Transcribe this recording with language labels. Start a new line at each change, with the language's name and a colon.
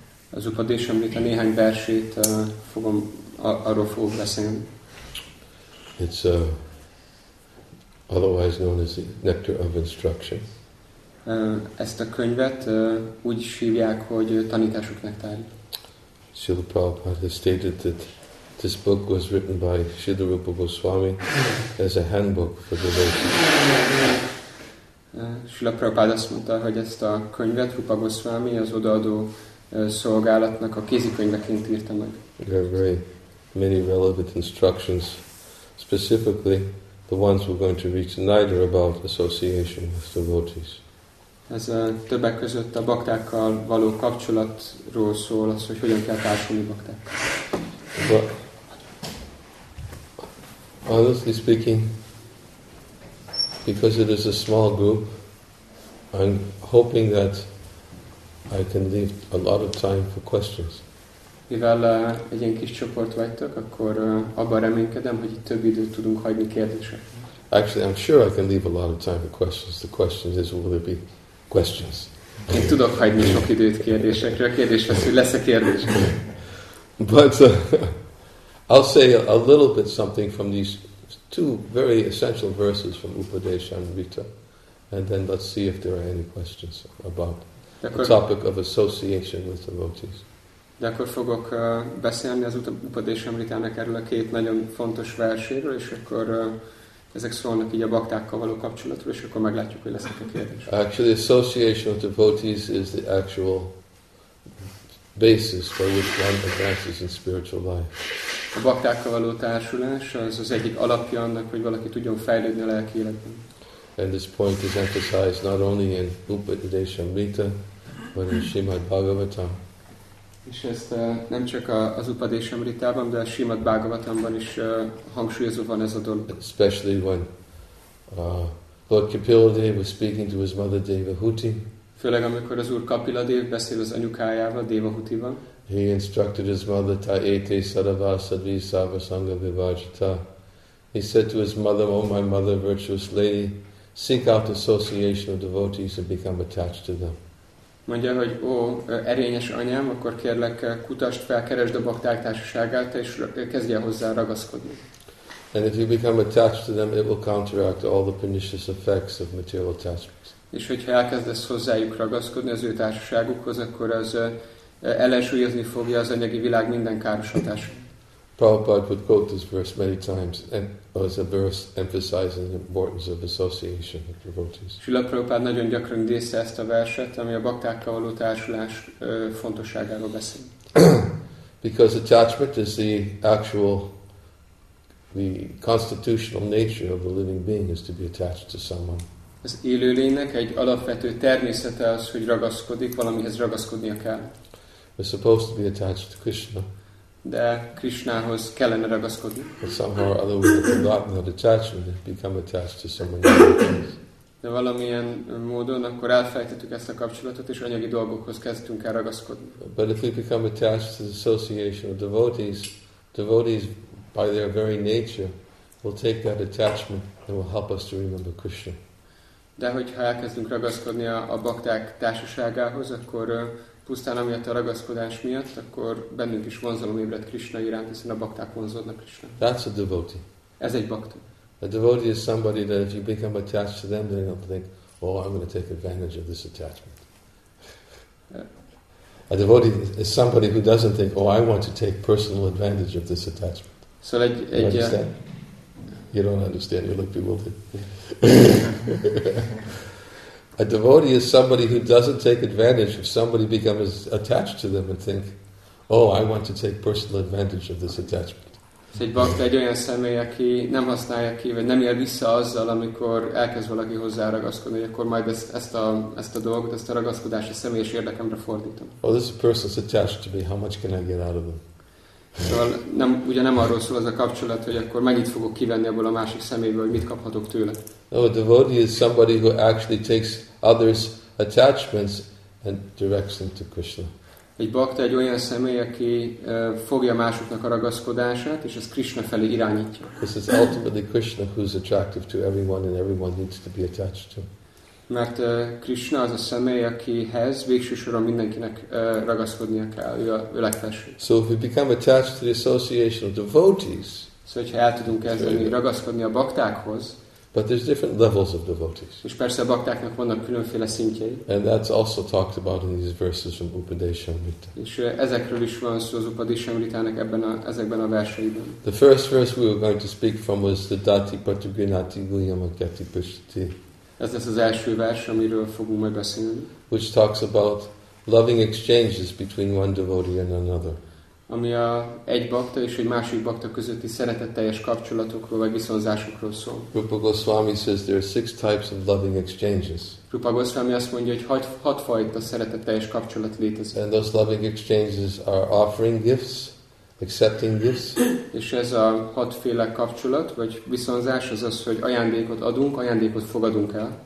Hungarian: Az Upadeshamrita néhány versét fogom arról fogok beszélni.
English: It's otherwise known as the Nectar of Instruction.
Hungarian: Ezt a könyvet úgy hívják, hogy tanítások nektárja.
English: Srila Prabhupada stated that this book was written by Srila Rupa Goswami as a handbook for devotees.
Hungarian: Srila Prabhupada azt mondta, hogy ezt a könyvet Rupa Goswami az odaadó szolgálatnak a kézikönyveként írta meg.
English: There are very many relevant instructions, specifically the ones we're going to read tonight are about association with devotees.
Hungarian: Ez a többek között a baktákkal való kapcsolatról szól, az, hogy hogyan kell társulni baktákkal.
English: But, honestly speaking, because it is a small group, I'm hoping that I can leave a lot of time for questions.
Hungarian: Mivel egy ilyen kis csoport vagytok, akkor abban reménykedem, hogy itt több időt tudunk hagyni kérdésekre.
English: Actually, I'm sure I can leave a lot of time for questions. The question is, will there be questions?
Hungarian: Én tudok hagyni sok időt kérdésekre. A kérdés lesz, hogy lesz-e kérdés.
English: But I'll say a little bit something from these two very essential verses from Upadeshamrita, and then let's see if there are any questions about the topic of association with devotees.
Hungarian: De akkor fogok beszélni az Upadeshamritának erről a két nagyon fontos verséről, és akkor ezek szólnak így a baktákkal való kapcsolatról, és akkor meglátjuk, hogy lesznek a kérdés.
English: Actually, association with devotees is the actual basis for which one advances in spiritual life.
Hungarian: A baktákkal való társulás az az egyik alapja annak, hogy valaki tudjon fejlődni a lelki életben.
English: And this point is emphasized not only in Upadeshamrita, but in Srimad Bhagavatam.
Hungarian: És ezt nem csak az Upadeshamritában, de a Srimad Bhagavatamban is hangsúlyozva van ez a dolog.
English: Especially when Lord Kapiladeva was speaking to his mother Devahuti.
Hungarian: Főleg amikor az Úr Kapiladeva beszél az anyukájával, Devahutival.
English: He instructed his mother,
Sanskrit: Ta ete sarva sadvi sava sangha vivajita.
English: He said to his mother, O my mother, virtuous lady, seek out association of devotees and become attached to them.
Hungarian: Mondja, hogy ó, erényes anyám, akkor kérlek, kutasd fel, keresd a bakták társaságát, és kezdj el hozzá ragaszkodni.
English: And if you become attached to them, it will counteract all the pernicious effects of material attachments.
Hungarian: És hogyha elkezdesz hozzájuk ragaszkodni az ő társaságukhoz, akkor az ellensúlyozni fogja az anyagi világ minden káros hatását.
English: Prabhupada would quote this verse many times, and as a verse emphasizing the importance of association with devotees.
Hungarian: Srila Prabhupada nagyon gyakran idézte ezt a verset, ami a baktákkal való társulás fontosságáról beszél.
English: Because attachment is the actual, the constitutional nature of a living being is to be attached to someone.
Hungarian: Az élőlénynek egy alapvető természete az, hogy ragaszkodik, valamihez ragaszkodnia kell.
English: We're supposed to be attached to Krishna.
Hungarian: De Krishnához kellene ragaszkodni.
English: But somehow or other we have forgotten that attachment and become attached to someone.
Hungarian: De valamilyen módon akkor elfelejtettük ezt a kapcsolatot, és anyagi dolgokhoz kezdtünk el ragaszkodni.
English: But if we become attached to the association of devotees, devotees by their very nature will take that attachment and will help us to remember Krishna.
Hungarian: De hogyha elkezdünk ragaszkodni a bakták társaságához, akkor pusztán amiatt a ragaszkodás miatt, akkor bennünk is vonzalom ébred Krishna iránt, hiszen a bakták vonzódnak Krishna.
English: That's a devotee.
Hungarian: Ez egy bakta.
English: A devotee is somebody that if you become attached to them, they don't think, oh, I'm going to take advantage of this attachment. A devotee is somebody who doesn't think, oh, I want to take personal advantage of this attachment. So like, you understand? You don't understand. You look bewildered. A devotee is somebody who doesn't take advantage of somebody becomes attached to them and think, oh, I want to take personal advantage of this attachment.
Hungarian: Tehát egy bakta egy olyan személy, aki nem használja ki, vagy nem ér vissza azzal, amikor elkezd valaki hozzá ragaszkodni, hogy akkor majd ezt a dolgot, ezt a ragaszkodást a személyes érdekemre fordítom.
English: Oh, this person's attached to me. How much can I get out of them?
Hungarian: Szóval nem, ugye nem arról szól ez a kapcsolat, hogy akkor mennyit fogok kivenni abból a másik személyből, hogy mit kaphatok tőle.
English: No, a devotee is somebody who actually takes others' attachments and directs them to Krishna.
Hungarian: Egy bakta egy olyan személy, aki fogja másoknak a ragaszkodását, és ezt Krishna felé irányítja.
English: This is ultimately Krishna who's attractive to everyone, and everyone needs to be attached to.
Hungarian: Mert Krishna az a személy, akihez végső soron mindenkinek ragaszkodnia kell, ő legfelső.
English: So if we become attached to the association of devotees,
Hungarian: szóval, hogyha el tudunk kezdeni ragaszkodni a baktákhoz,
English: but there's different levels of devotees.
Hungarian: És persze a baktáknak vannak különféle szintjei.
English: And that's also talked about in these verses from Upadeshamrita.
Hungarian: És ezekről is van szó az Upadeshamritának ezekben a verseiben.
English: The first verse we were going to speak from was the
Sanskrit: Dati Patugrinati Guhyamagyati Pushti.
Hungarian: Ez lesz az első vers, amiről fogunk majd beszélni.
English: Which talks about loving exchanges between one devotee and another.
Hungarian: Ami a egy bakta és egy másik bakta közötti szeretetteljes kapcsolatokról vagy viszonzásokról szól.
English: Rupa Goswami says there are six types of loving exchanges.
Hungarian: Rupa Goswami azt mondja, hogy hat fajta szeretetteljes kapcsolat létezik.
English: And those loving exchanges are offering gifts, accepting gifts.
Hungarian: És ez a hatféle kapcsolat vagy viszonzás az az, hogy ajándékot adunk, ajándékot fogadunk el.